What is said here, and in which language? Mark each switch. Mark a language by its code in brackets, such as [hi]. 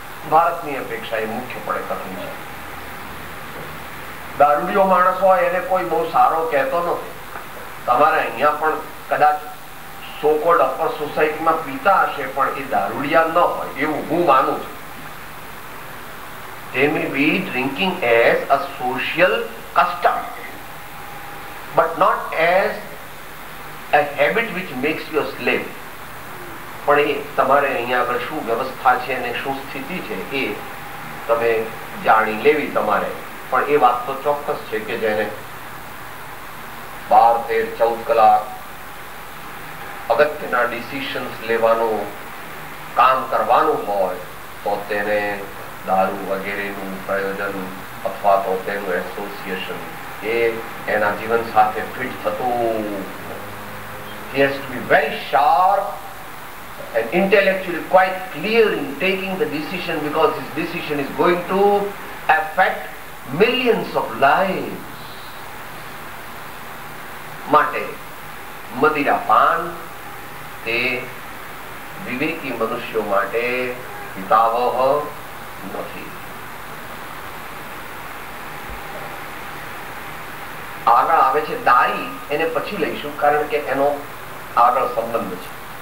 [gu] ભારતની અપેક્ષા એ મુખ્યપણે કરવી છે. દારૂડિયો માણસ હોય એને કોઈ બહુ સારો કહેતો નથી. તમારે અહીંયા પણ કદાચ સોકોલ્ડ અપર સોસાયટીમાં પીતા હશે પણ એ દારૂડિયા ન હોય એવું હું માનું છું. [en] They may be drinking as a social custom, but not as a habit which makes you a slave. [gu] પણ એ તમારે અહીંયા આગળ શું વ્યવસ્થા છે અને શું સ્થિતિ છે એ તમે જાણી લેવી તમારે. પણ એ વાત તો ચોક્કસ છે કે જેને 12-13-14 કલાક અગત્યના ડિસિશન્સ લેવાનું કામ કરવાનું હોય તો તેને દારૂ વગેરેનું પ્રયોજન અથવા તો તેનું એસોસિએશન એ એના જીવન સાથે ફિટ થતું. [en] He has to be very sharp and intellectually quite clear in taking the decision because his decision is going to affect millions of lives. [gu] માટે મદિરા પાન તે વિવેકી મનુષ્યો માટે હિતાવહ નથી. આગળ આવે છે દારી, એને પછી લઈશું કારણ કે એનો આગળ સંબંધ છે.